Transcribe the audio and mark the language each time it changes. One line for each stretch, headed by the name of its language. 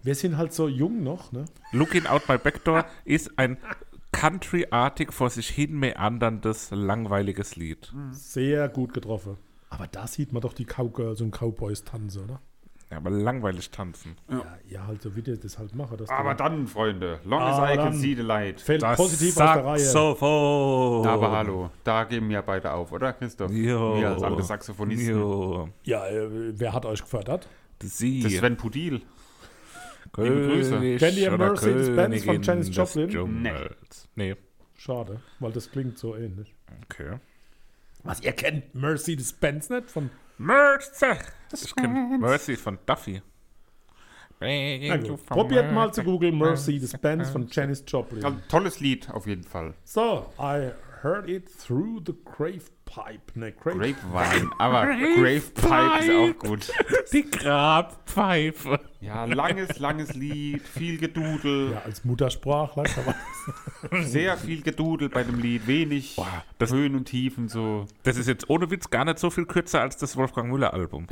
German: Wir sind halt so jung noch. Ne? Looking Out My Backdoor ist ein Country-artig vor sich hin meanderndes, langweiliges Lied. Sehr gut getroffen. Aber da sieht man doch die Cowgirls und Cowboys tanzen, oder? Ja, aber langweilig tanzen. Ja, ja, halt so, wie die das halt machen. Dass aber dann, Freunde,
English: long as I can see the light.
German: Fällt das positiv aus der Reihe. Saxophon. Aber hallo, da geben wir beide auf, oder, Christoph? Jo. Wir als alte Saxophonisten. Jo. Ja, wer hat euch gefördert? Sie. Das Sven Pudil. Grüße. Kennt ihr Mercedes-Benz von Janis Joplin? Nee. Schade, weil das klingt so ähnlich. Okay. Was, ihr kennt Mercedes-Benz nicht? Von Mercedes-Benz. Ich kenne Mercy von Duffy. Probiert mal zu googeln Mercedes-Benz von Janis Joplin. Also, tolles Lied auf jeden Fall.
English: So, I heard it through the Grapepipe.
German: Ne, Grapevine. Aber Grapepipe ist auch gut. Die Grabpfeife. Ja, langes, langes Lied, viel Gedudel. Ja, als Muttersprachler kann man das. Sehr viel Gedudel bei dem Lied, wenig Höhen und Tiefen so. Das ist jetzt ohne Witz gar nicht so viel kürzer als das Wolfgang Müller-Album.